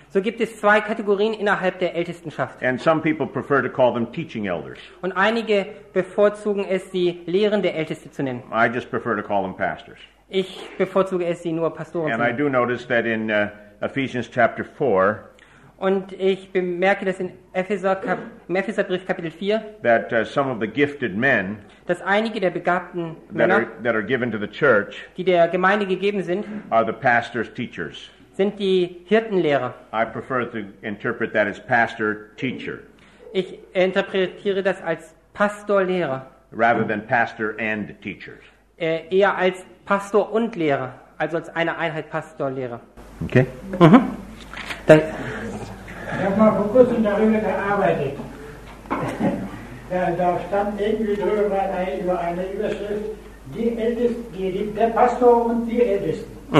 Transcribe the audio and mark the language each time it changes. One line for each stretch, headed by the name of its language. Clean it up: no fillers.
German: So gibt es zwei Kategorien innerhalb der Ältestenschaft.
English: And some people prefer to call them teaching elders.
German: Und einige bevorzugen es, sie lehrende Älteste zu nennen.
English: I just prefer to call them pastors.
German: Ich bevorzuge es, sie nur Pastoren
English: and
German: zu nennen.
English: And I do notice that in Ephesians chapter 4.
German: Und ich bemerke, dass in Epheserbrief Kapitel 4
English: that some of the gifted men,
German: dass einige der begabten Männer,
English: that are given to the church,
German: die der Gemeinde gegeben sind,
English: are the pastors' teachers.
German: Sind die Hirtenlehrer.
English: I prefer to interpret that as pastor teacher.
German: Ich interpretiere das als Pastorlehrer.
English: Rather than pastor and teacher.
German: Eher als Pastor und Lehrer, also als eine Einheit Pastorlehrer. Okay. Dann. Ich habe mal vor kurzem darüber gearbeitet. Da stand irgendwie drüber über eine Überschrift, die Ältesten, der Pastor und die Ältesten.